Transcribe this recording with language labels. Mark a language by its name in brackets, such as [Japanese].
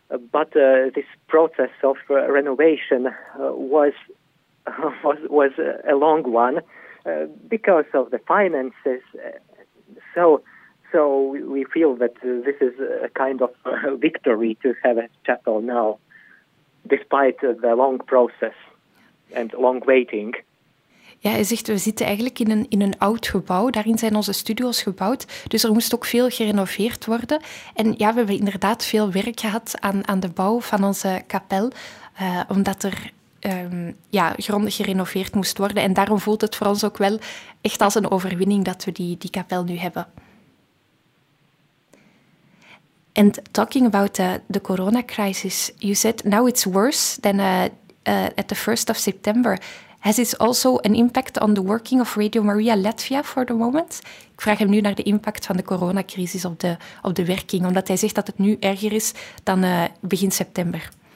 [English] But this process of renovation was a long one because of the finances. So we feel that this is a kind of victory to have a chapel now, despite the long process and long waiting. [Dutch] Ja, hij zegt, we zitten eigenlijk in een oud gebouw. Daarin zijn onze studio's gebouwd. Dus er moest ook veel gerenoveerd worden. En ja, we hebben inderdaad veel werk gehad aan de bouw van onze kapel. Omdat er grondig gerenoveerd moest worden. En daarom voelt het voor ons ook wel echt als een overwinning dat we die kapel nu hebben. [English] And talking about the corona crisis, you said now it's worse than at the 1st of September. Has it also an impact on the working of Radio Maria Latvia for the moment? [Dutch] Ik vraag hem nu naar de impact van de coronacrisis op de werking, omdat hij zegt dat het nu erger is dan begin september.